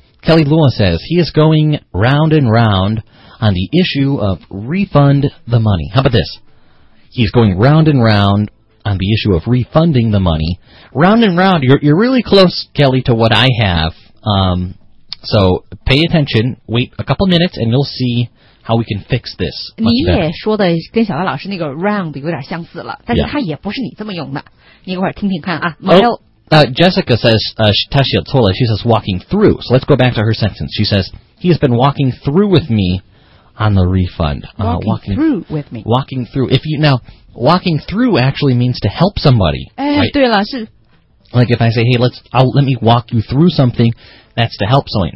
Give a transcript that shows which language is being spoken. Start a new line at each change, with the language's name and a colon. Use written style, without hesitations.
English: Kelly Lua says he is going round and round on the issue of refund the money. How about this? He is going round and round on the issue of refunding the money. Round and round, you're really close, Kelly, to what I have. So pay attention, wait a couple minutes, and you'll see how we can fix this.
Chinese: 你也说的跟小艾老师那个 round 有点相似了，但是他也不是你这么用的。你一会儿听听看啊，没有。
English: Jessica says, Tashia Tola, she says walking through. So let's go back to her sentence. She says, he has been walking through with me on the refund. Walking through with me. Walking through. Walking through actually means to help somebody. 哎、 right?
Chinese: 对了是。
English: Like if I say, hey, let me walk you through something, that's to help someone.